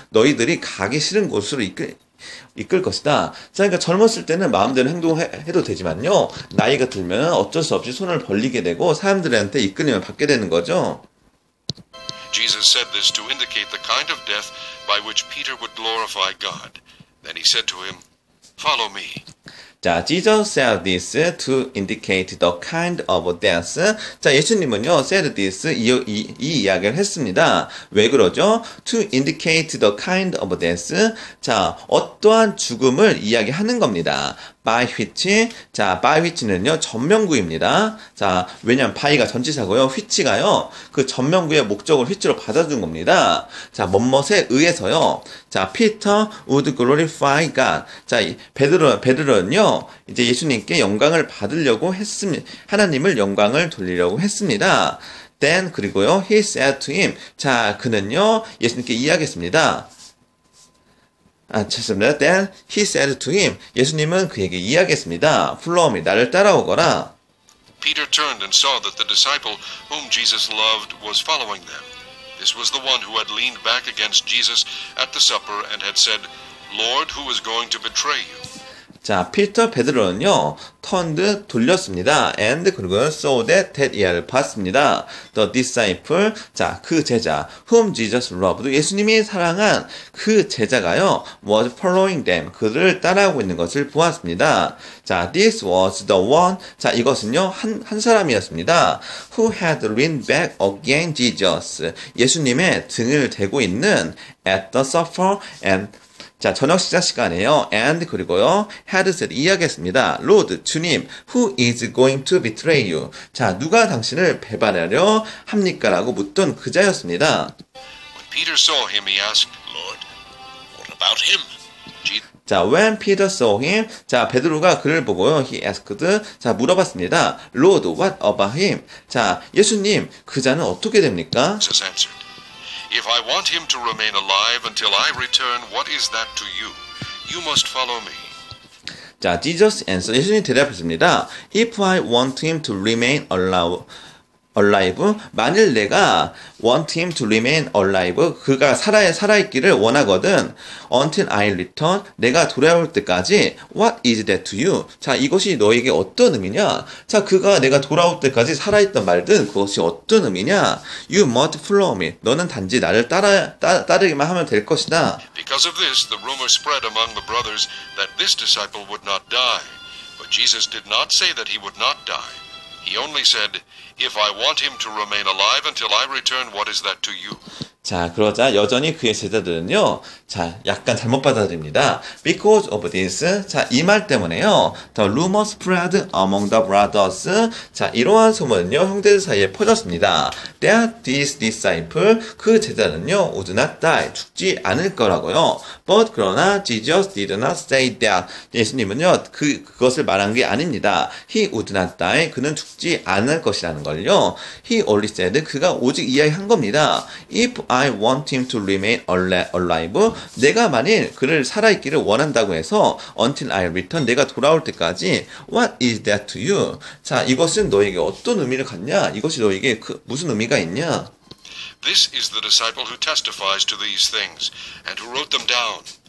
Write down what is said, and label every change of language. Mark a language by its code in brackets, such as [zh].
[ko] 너희들이 가기 싫은 곳으로 이끌 것이다. 자, 그러니까 젊었을 때는 마음대로 행동해도 되지만요. 나이가 들면 어쩔 수 없이 손을 벌리게 되고 사람들한테 이끌림을 받게 되는 거죠. [en] Jesus said this to indicate the kind of death by which Peter would glorify God. Then he said to him, "Follow me." 자, Jesus said this to indicate the kind of death. [ko] 자, 예수님은요, [en] said this [ko] 이 이야기를 했습니다. 왜 그러죠? [en] To indicate the kind of death. [ko] 자, 어떠한 죽음을 이야기하는 겁니다. By which, 자, by which는요, 전명구입니다. 자, 왜냐면 by가 전치사고요, which가요, 그 전명구의 목적을 which로 받아준 겁니다. [en] 자, [ko] 뭣뭣에 의해서요, [en] 자, Peter would glorify God. [ko] 자, 베드로는요, 이제 예수님께 영광을 받으려고 했습니다. 하나님을 영광을 돌리려고 했습니다. [en] Then, [ko] 그리고요, [en] he said to him. [ko] 자, 그는요, 예수님께 이야기했습니다. 아, 죄송합니다. [en] Then he said to him. [ko] 예수님은 그에게 이야기했습니다. [en] Follow me. [ko] 나를 따라오거라. [en] Peter turned and saw that the disciple whom Jesus loved was following them. This was the one who had leaned back against Jesus at the supper and had said, Lord, who is going to betray you? [ko] 자, 피터 베드로는요, turned, 돌렸습니다. And, 그리고 saw that ear를 봤습니다. [en] The disciple, [ko] 자, 그 제자, [en] whom Jesus loved, [ko] 예수님이 사랑한 그 제자가요, [en] was following them, [ko] 그들을 따라하고 있는 것을 보았습니다. 자, [en] this was the one, [ko] 자, 이것은요, 한 사람이었습니다. [en] Who had leaned back against Jesus, [ko] 예수님의 등을 대고 있는 [en] at the supper and 자, [ko] 저녁 식사 시간에요. [en] And, [ko] 그리고요, [en] had said, [ko] 이야기했습니다. [en] Lord, [ko] 주님, [en] who is going to betray you? [ko] 자, 누가 당신을 배반하려 합니까? 라고 묻던 그자였습니다. [en] When Peter saw him, he asked, Lord, what about him? 자, when Peter saw him, 자, [ko] 베드로가 그를 보고요, [en] he asked, 자, [ko] 물어봤습니다. [en] Lord, what about him? [ko] 자, 예수님, 그 자는 어떻게 됩니까? [en] Jesus answered, if I want him to remain alive until I return, what is that to you? You must follow me. 자, Jesus answered, [ko] 예수님 대답했습니다. [en] If I want him to remain alive, [ko] 만일 내가 [en] want him to remain alive, [ko] 그가 살아있기를 원하거든, [en] until I return, [ko] 내가 돌아올 때까지, [en] what is that to you? [ko] 자, 이것이 너에게 어떤 의미냐? 자, 그가 내가 돌아올 때까지 살아있던 말든 그것이 어떤 의미냐? [en] You must follow me. [ko] 너는 단지 나를 따르기만 하면 될 것이다. [en] Because of this, the rumor spread among the brothers that this disciple would not die. But Jesus did not say that he would not die. He only said, if I want him to remain alive until I return, what is that to you? [ko] 자, 그러자 여전히 그의 제자들은요, 자, 약간 잘못 받아들입니다. [en] Because of this, [ko] 자, 이 말 때문에요, [en] the rumor spread among the brothers, [ko] 자, 이러한 소문은요, 형제들 사이에 퍼졌습니다. [en] That this disciple, [ko] 그 제자는요, [en] would not die, [ko] 죽지 않을 거라고요. [en] But, [ko] 그러나, [en] Jesus did not say that. [ko] 예수님은요, 그것을 말한 게 아닙니다. [en] He would not die, [ko] 그는 죽지 않을 것이라는 걸요. [en] He only said, [ko] 그가 오직 이야기한 겁니다. [en] If I want him to remain alive. [ko] 내가 만일 그를 살아있기를 원한다고 해서 [en] until I return, [ko] 내가 돌아올 때까지 [en] what is that to you? [ko] 자, 이것은 너에게 어떤 의미를 갖냐? 이것이 너에게 무슨 의미가 있냐? [en] This is the disciple who testifies to these things and who wrote them down.